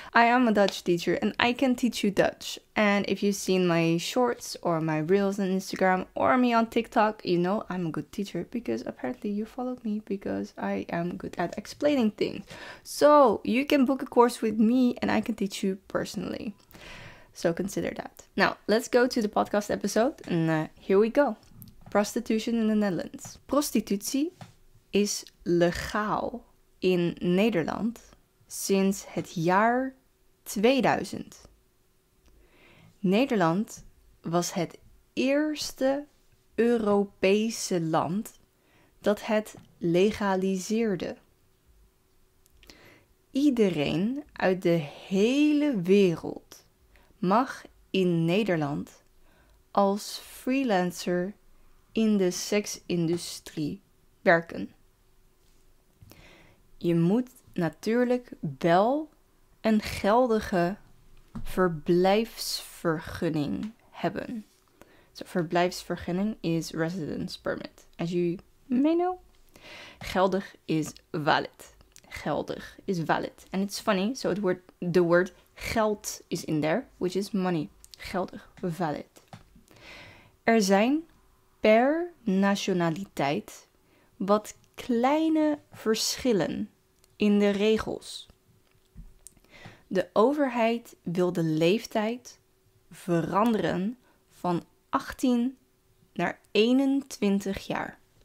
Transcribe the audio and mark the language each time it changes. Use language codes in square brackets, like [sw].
[en] I am a Dutch teacher and I can teach you Dutch. And if you've seen my shorts or my reels on Instagram or me on TikTok, you know I'm a good teacher because apparently you followed me because I am good at explaining things. So you can book a course with me and I can teach you personally. So consider that. Now let's go to the podcast episode and here we go. Prostitution in the Netherlands. [nl] Prostitutie is legaal in Nederland sinds het jaar 2000. Nederland was het eerste Europese land dat het legaliseerde. Iedereen uit de hele wereld mag in Nederland als freelancer in de seksindustrie werken. Je moet natuurlijk wel een geldige verblijfsvergunning hebben. [en] So, verblijfsvergunning is residence permit. As you may know, geldig is valid. Geldig is valid. And it's funny, so the word geld is in there, which is money. Geldig, valid. [nl] Er zijn per nationaliteit wat kleine verschillen in de regels. De overheid wil de leeftijd veranderen van 18 naar 21 jaar.